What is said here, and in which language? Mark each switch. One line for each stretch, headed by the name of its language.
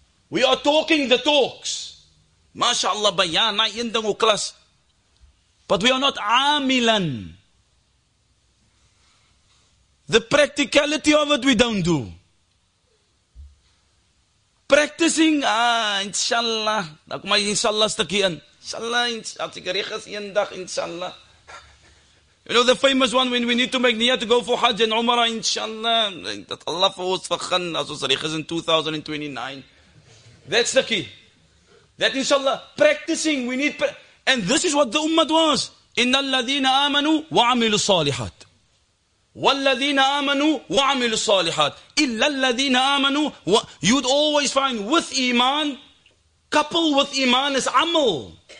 English: We are talking the talks. MashaAllah, bayana in the class. But we are not amilan. The practicality of it we don't do. Practicing, inshallah.
Afrikaans: Nou kom maar inshallah stukkie in. Inshallah, as ek reg is een dag, inshallah.
English: You know the famous one when we need to make niyyah to go for Hajj and Umrah, inshallah.
Afrikaans: Dat Allah vir ons vergun as ons reg is in 2029.
English: That's the key. That inshallah, practicing, we need. And this is what the ummah was.
Arabic: Innal ladhina amanu wa amilu salihat. وَالَّذِينَ آمَنُوا وَعَمِلُوا الصَّالِحَاتِ إِلَّا الَّذِينَ آمَنُوا
English: You'd always find with iman, coupled with iman is amal.